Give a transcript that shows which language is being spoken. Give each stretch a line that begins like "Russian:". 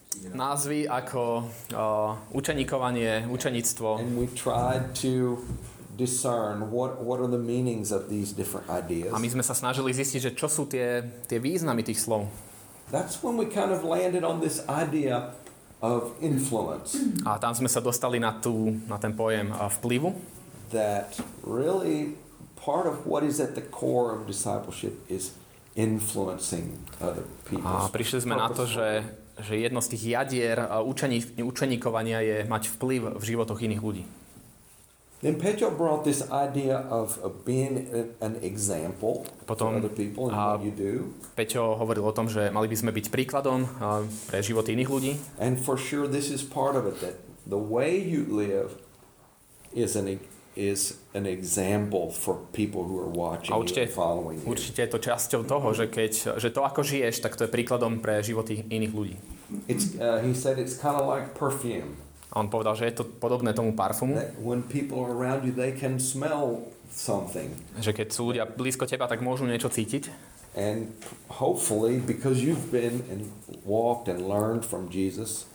Slovak: názvy ako učeníkovanie, učeníctvo.
English: And we tried to discern what are the meanings of these different ideas.
Slovak: A my sme sa snažili zistiť, že čo sú tie významy tých slov.
English: That's when we kind of landed on this idea of influence.
Slovak: A tam sme sa dostali na ten pojem vplyvu.
English: That really part of what is at the core of discipleship is influencing other people.
Slovak: A prišli sme na to, že jedno z tých jadier učeníkovania je mať vplyv v životoch iných ľudí.
English: Then Peťo brought this idea of being an example
Slovak: potom,
English: for other people and what you do.
Slovak: Peťo hovoril o tom, že mali by sme byť príkladom pre život iných ľudí.
English: And for sure this is part of it, that the way you live is an example for people who are watching you and following you.
Slovak: Určite je to časťou toho, že to ako žiješ, tak to je príkladom pre životy iných ľudí.
English: He said it's kind of like perfume.
Slovak: A on povedal, že je to podobné tomu parfumu.
English: When people are around you, they can smell something.
Slovak: Že keď sú ľudia blízko teba, tak môžu niečo cítiť.
English: And hopefully because you've been and walked and learned from Jesus.